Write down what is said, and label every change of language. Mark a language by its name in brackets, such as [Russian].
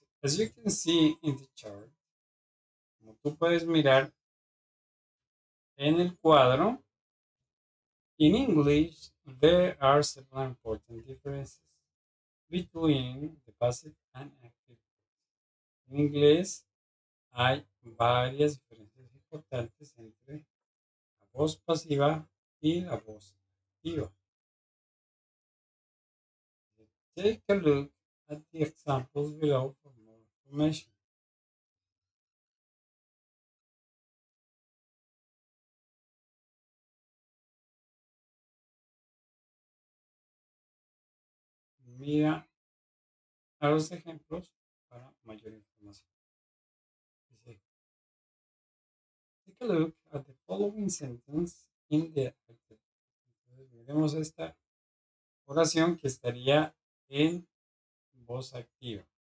[English] As you can see in the chart, [Spanish] como tú puedes mirar, en el cuadro, [English] in English, there are several important differences between the passive and active. [Spanish] En inglés, hay varias diferencias importantes entre la voz pasiva y la voz activa. [English] Take a look at the examples below for more information. [Spanish] Mira a los ejemplos para mayor información. Dice, [English] take a look at the following sentence [Spanish] Tenemos esta oración que estaría en voz activa.